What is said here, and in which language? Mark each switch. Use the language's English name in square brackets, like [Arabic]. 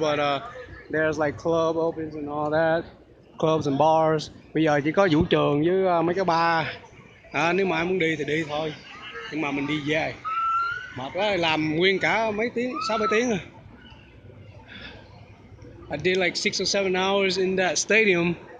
[English] But there's like club opens and all that. Clubs and bars. [Vietnamese] Bây giờ chỉ có vũ trường với mấy cái bar. Nếu mà em muốn đi thì đi thôi. Nhưng mà mình đi về. Mệt quá, làm nguyên cả mấy tiếng, 6-7 tiếng rồi. [English] I did like 6 or 7 hours in that stadium.